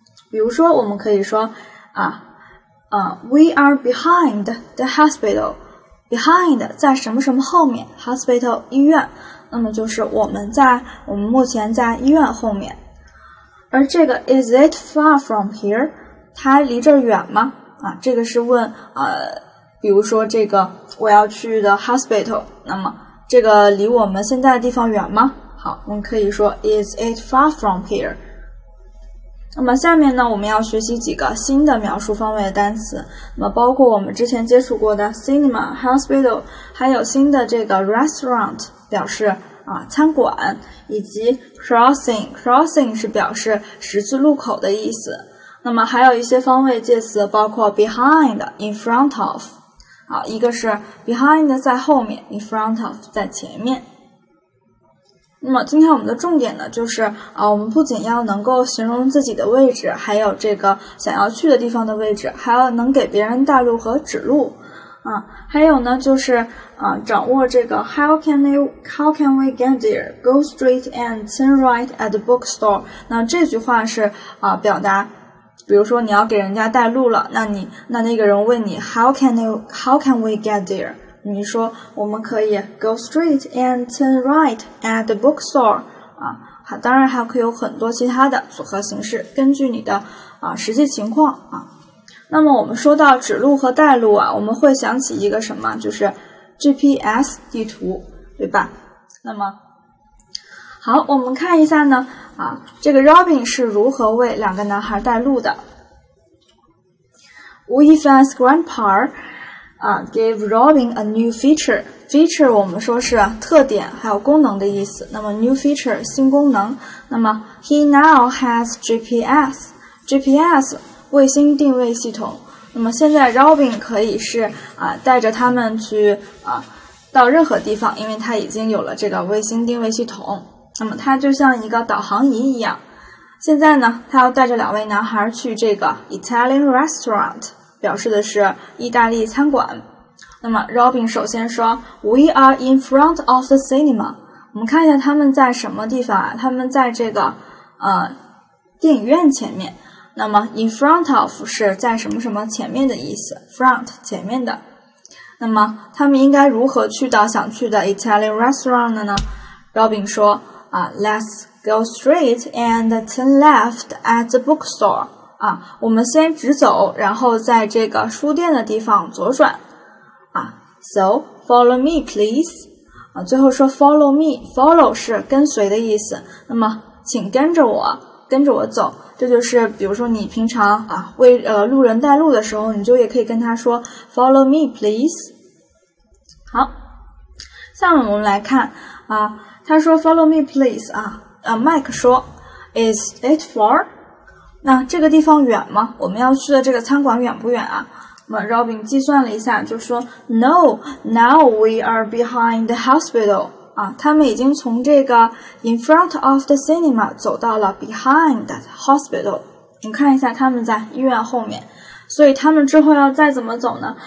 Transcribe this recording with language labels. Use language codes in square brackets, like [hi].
[zh] 比如说我们可以说啊 , [en] we are behind the hospital, [zh] behind 在什么什么后面 ,hospital 医院，那么就是我们目前在医院后面。而这个 [en] is it far from here, [zh] 它离这儿远吗啊，这个是问比如说这个我要去的 hospital, 那么这个离我们现在的地方远吗？好，我们可以说 [en] is it far from here? [zh] 那么下面呢，我们要学习几个新的描述方位的单词，那么包括我们之前接触过的 cinema, hospital, 还有新的这个 restaurant, 表示啊餐馆，以及 crossing 是表示十字路口的意思。那么还有一些方位介词，包括 behind, in front of, 好，一个是 behind 在后面， in front of 在前面。那么今天我们的重点呢，就是啊，我们不仅要能够形容自己的位置，还有这个想要去的地方的位置，还要能给别人带路和指路啊。还有呢，就是啊，掌握这个 [en] how can we get there, go straight and turn right at the bookstore, [zh] 那这句话是啊表达，比如说你要给人家带路了，那个人问你 how can we get there? 你说我们可以 [en] go straight and turn right at the bookstore, [zh] 啊当然还可以有很多其他的组合形式，根据你的啊实际情况啊。那么我们说到指路和带路啊，我们会想起一个什么，就是 GPS 地图，对吧？那么好，我们看一下呢啊，这个 Robin 是如何为两个男孩带路的。 [en] Wee-Fan's grandpa, 啊 ,gave Robin a new feature. [zh] Feature 我们说是特点还有功能的意思。那么 new feature, 新功能。 [en] 那么 he now has GPS. [zh] GPS, 卫星定位系统。那么现在 Robin 可以是啊带着他们去啊到任何地方，因为他已经有了这个卫星定位系统。那么它就像一个导航仪一样。现在呢，他要带着两位男孩去这个 Italian restaurant, 表示的是意大利餐馆。 [en] 那么 Robin [zh] 首先说 [en] ,We are in front of the cinema. [zh] 我们看一下他们在什么地方啊，他们在这个电影院前面。那么 in front of 是在什么什么前面的意思 ,front, 前面的。那么他们应该如何去到想去的 Italian restaurant 呢？ [en] Robin 说Let's go straight and turn left at the bookstore. [zh] 啊，我们先直走，然后在这个书店的地方左转。 [en] 啊，So follow me, please. 啊， [zh] 最后说 [en] follow me. [zh] Follow 是跟随的意思。那么，请跟着我，跟着我走。这就是，比如说你平常啊为路人带路的时候，你就也可以跟他说 [en] follow me, please. [zh] 好，下面我们来看啊。 [en] 他说 follow me please, Mike 说 is it far? [zh] 那这个地方远吗？我们要去的这个餐馆远不远啊？那么 Robin 计算了一下就说 [en] no, now we are behind the hospital, [zh] 啊他们已经从这个 [en] in front of the cinema [zh] 走到了 [en] behind the hospital, [zh] 你看一下他们在医院后面，所以他们之后要再怎么走呢？